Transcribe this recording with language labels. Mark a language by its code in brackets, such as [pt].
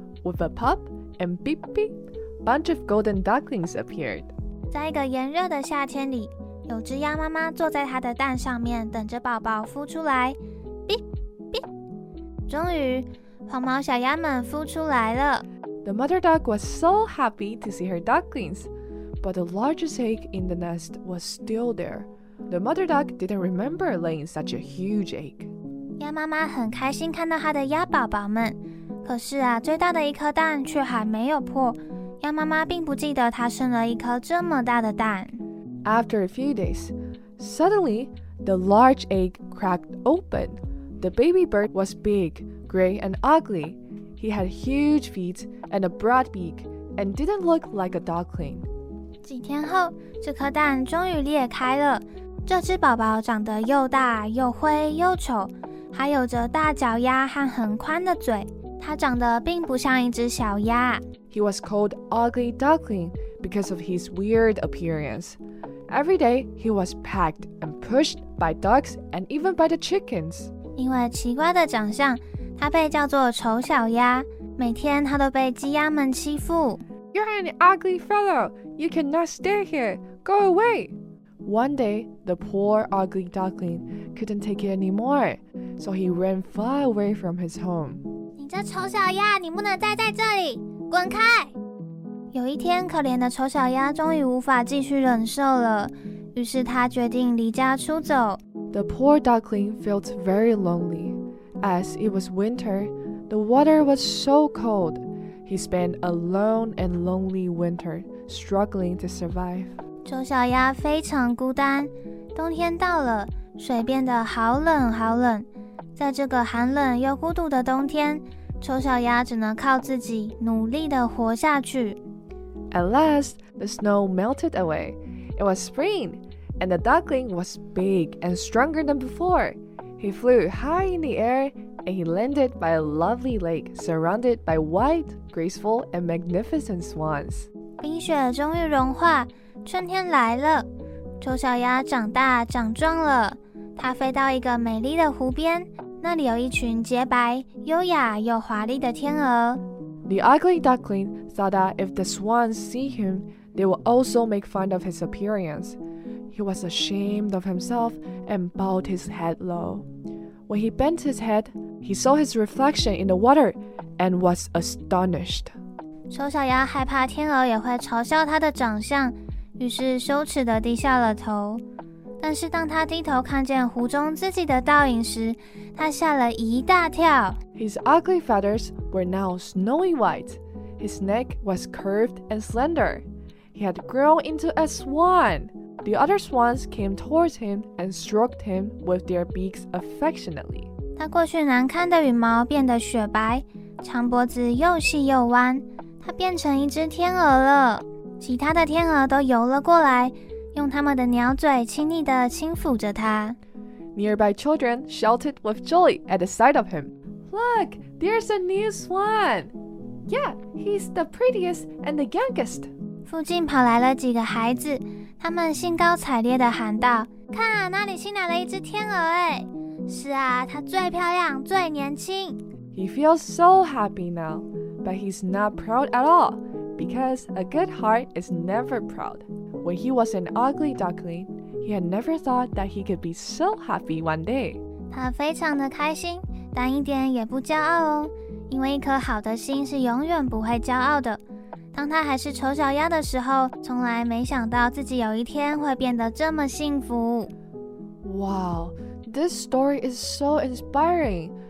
[en] With a pop and beep beep, bunch of golden ducklings appeared. [zh] 在一个炎热的夏天里，有只鸭妈妈坐在她的蛋上面，等着宝宝孵出来。 [en] Beep beep. [zh] 终于，黄毛小鸭们孵出来了。 [en] The mother duck was so happy to see her ducklings, but the largest egg in the nest was still there. The mother duck didn't remember laying such a huge egg. [zh] 鸭妈妈很开心看到她的鸭宝宝们，可是啊，最大的一颗蛋却还没有破。鸭妈妈并不记得她生了一颗这么大的蛋。 [en] After a few days, suddenly, the large egg cracked open. The baby bird was big, gray, and ugly. He had huge feet and a broad beak, and didn't look like a duckling. [zh] 几天后，这颗蛋终于裂开了。这只宝宝长得又大又灰又丑，还有着大脚丫和很宽的嘴。它长得并不像一只小鸭。 [en] He was called Ugly Duckling because of his weird appearance. Every day, he was pecked and pushed by ducks and even by the chickens. [zh] 因为奇怪的长相。他被叫做丑小鸭，每天他都被鸡鸭们欺负。 [en] You're an ugly fellow. You cannot stay here. Go away. One day, the poor ugly duckling couldn't take it anymore, so he ran far away from his home. [zh] 你这丑小鸭，你不能待在这里，滚开！有一天，可怜的丑小鸭终于无法继续忍受了，于是他决定离家出走。 [en] The poor duckling felt very lonely. As it was winter, the water was so cold. He spent a long and lonely winter struggling to survive. [zh] 丑小鸭非常孤单。冬天到了，水变得好冷好冷。在这个寒冷又孤独的冬天，丑小鸭只能靠自己努力地活下去。 [en] At last, the snow melted away. It was spring, and the duckling was big and stronger than before. He flew high in the air, and he landed by a lovely lake surrounded by white, graceful, and magnificent swans. [zh] 冰雪终于融化，春天来了。丑小鸭长大长壮了，它飞到一个美丽的湖边，那里有一群洁白、优雅又华丽的天鹅。 [en] The ugly duckling thought that if the swans see him, they will also make fun of his appearance. He was ashamed of himself and bowed his head low. When he bent his head, he saw his reflection in the water and was astonished. [zh] 丑小鸭害怕天鹅也会嘲笑它的长相，于是羞耻地低下了头。但是当他低头看见湖中自己的倒影时，他吓了一大跳。 [en] His ugly feathers were now snowy white. His neck was curved and slender. He had grown into a swan. The other swans came towards him and stroked him with their beaks affectionately. [zh] 他过去难看的羽毛变得雪白，长脖子又细又弯，他变成一只天鹅了。其他的天鹅都游了过来，用他们的鸟嘴轻易地轻抚着他。 [en] Nearby children shouted with joy at the sight of him. Look, there's a new swan! Yeah, he's the prettiest and the youngest. [zh] 附近跑来了几个孩子。他们兴高采烈地喊道，看啊，那里新来了一只天鹅耶。是啊，她最漂亮，最年轻。 [en] He feels so happy now, but he's not proud at all, because a good heart is never proud. When he was an ugly duckling, he had never thought that he could be so happy one day. [zh] 他非常的开心，但一点也不骄傲哦，因为一颗好的心是永远不会骄傲的。当他还是丑小鸭的时候，从来没想到自己有一天会变得这么幸福。 [en] Wow, this story is so inspiring.